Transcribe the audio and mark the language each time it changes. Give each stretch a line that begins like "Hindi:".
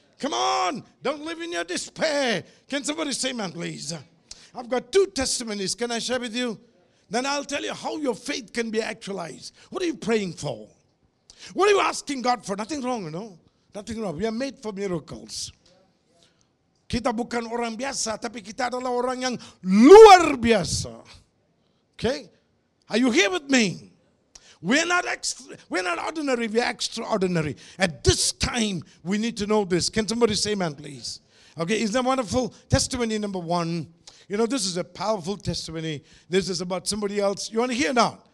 English: Come on, don't live in your despair. Can somebody say amen, please? I've got two testimonies. Can I share with you? Then I'll tell you how your faith can be actualized. What are you praying for? What are you asking God for? Nothing wrong, you know? Nothing wrong. We are made for miracles.
Indonesian: Kita bukan orang biasa, tapi kita adalah orang yang luar biasa.
English: Okay? Are you here with me? We're not ordinary, we're extraordinary. At this time, we need to know this. Can somebody say amen, please? Okay, isn't that wonderful? Testimony number one. You know, this is a powerful testimony. This is about somebody else. You want to hear now?